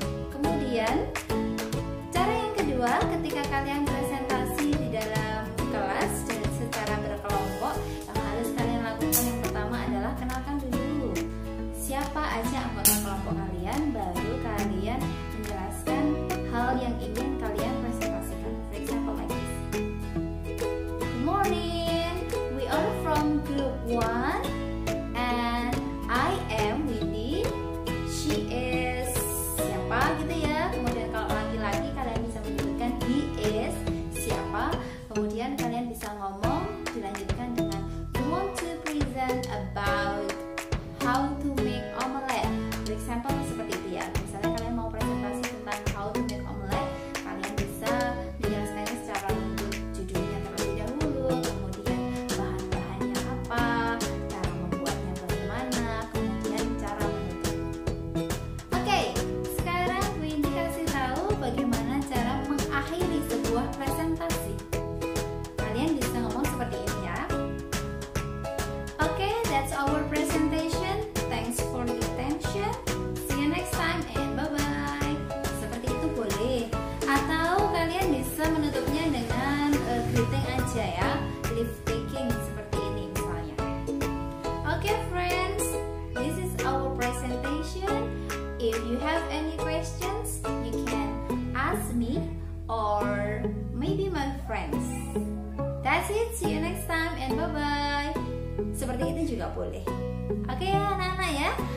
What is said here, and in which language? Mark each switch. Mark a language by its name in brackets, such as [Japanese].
[Indonesian] Kemudian cara yang kedua, ketika kalian presentasi di dalam kelas dan secara berkelompok, yang harus kalian lakukan yang pertama adalah kenalkan dulu siapa aja anggota kelompok kalian, baru kalian menjelaskan hal yang ingin kalian presentasikan. [English] For example like this. Good morning, we are from group 1 and I am Windy. She is [Indonesian] siapa gitu ya. Kemudian kalau laki-laki kalian bisa menyebutkan [English] he is [Indonesian] siapa. Kemudian kalian bisa ngomong, dilanjutkan dengan [English] we want to present about how to make omelette. For example [Indonesian] seperti itu ya. Misalnya kalian mau presentasi tentang [English] how to make omelette, [Indonesian] kalian bisa menjelaskannya secara untuk judulnya terlebih dahulu, kemudian bahan-bahannya apa, cara membuatnya bagaimana, kemudian cara menutup. Oke, sekarang Windy kasih tahu bagaimana cara mengakhiri sebuah presentasi. Kalian bisa ngomong seperti ini ya. [English] Oke, that's our presentation. Thanks for the attention. See you next time and bye-bye. [Indonesian] Seperti itu boleh. Atau kalian bisa menutupnya dengan greeting aja ya. Leave taking seperti ini misalnya. [English] Oke, friends. This is our presentation. If you have any questions, you can ask me or maybe my friends. That's it. See you next time and bye-bye. [Indonesian] Seperti itu juga boleh. Oke ya anak-anak ya.